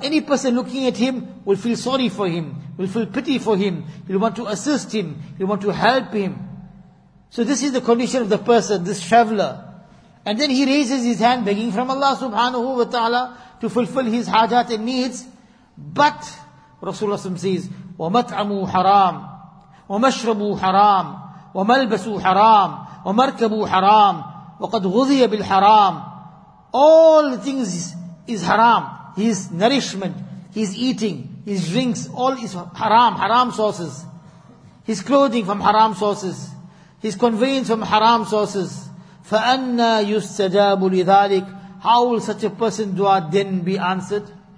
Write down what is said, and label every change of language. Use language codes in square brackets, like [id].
[en] Any person looking at him will feel sorry for him, will feel pity for him, he'll want to assist him, he'll want to help him. So this is the condition of the person, this traveler. And then he raises his hand, begging from Allah subhanahu wa ta'ala to fulfill his hajat and needs. But Rasulullah says, [ar] وَمَطْعَمُوا حَرَامٌ وَمَشْرَبُوا حَرَامٌ وَمَلْبَسُوا حَرَامٌ وَمَرْكَبُوا حَرَامٌ وَقَدْ غُذِيَ بِالْحَرَامِ. [en] All things is haram. His nourishment, his eating, his drinks, all is haram, haram sources. His clothing from haram sources. His conveyance from haram sources. [ar] فَأَنَّا يُسْتَجَابُ لِذَلِكَ. [en] How will such a person dua then be answered?